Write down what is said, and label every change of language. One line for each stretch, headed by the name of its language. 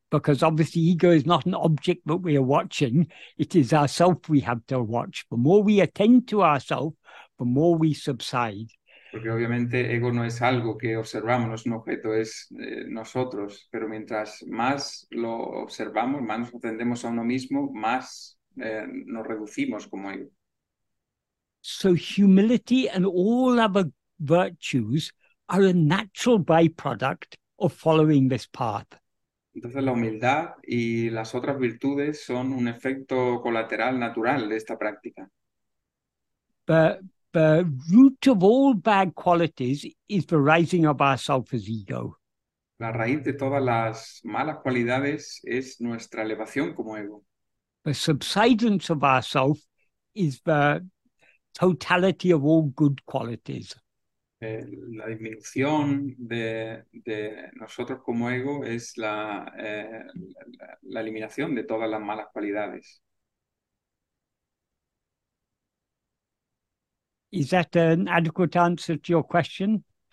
English: Because obviously ego is not an object that we are watching. It is ourself we have to watch. The more we attend to ourself, the more we subside.
Spanish: Porque obviamente ego no es algo que observamos, no es un objeto, es nosotros. Pero mientras más lo observamos, más nos atendemos a uno mismo, más nos reducimos como ego.
English: So humility and all other virtues are a natural byproduct of following this path.
Spanish: Entonces la humildad y las otras virtudes son un efecto colateral natural de esta práctica.
English: The root of all bad qualities is the rising of ourselves as ego.
Spanish: La raíz de todas las malas cualidades es nuestra elevación como ego.
English: The subsidence of ourself is the totality of all good qualities.
Spanish: La disminución de nosotros como ego es la eliminación de todas las malas cualidades.
English: Is that an adequate answer to your question?